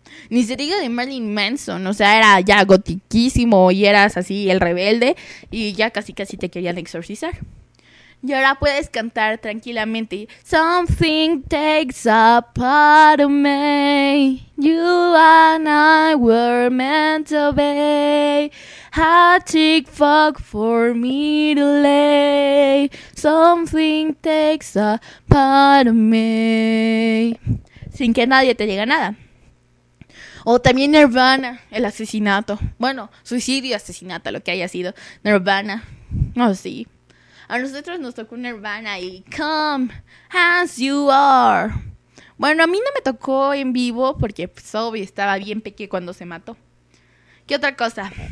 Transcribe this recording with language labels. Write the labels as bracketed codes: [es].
[es] Ni se diga de Marilyn Manson, o sea, era ya gotiquísimo y eras así el rebelde y ya casi te querían exorcizar. Y ahora puedes cantar tranquilamente. [en] Something takes a part of me. You and I were meant to be. A chick fuck for me to lay. Something takes a part of me. [es] Sin que nadie te diga nada. O también Nirvana, el asesinato. Bueno, suicidio, asesinato, lo que haya sido. Nirvana. Oh, sí. A nosotros nos tocó Nirvana y Come As You Are. Bueno, a mí no me tocó en vivo porque pues, obvio, estaba bien peque cuando se mató. ¿Qué otra cosa?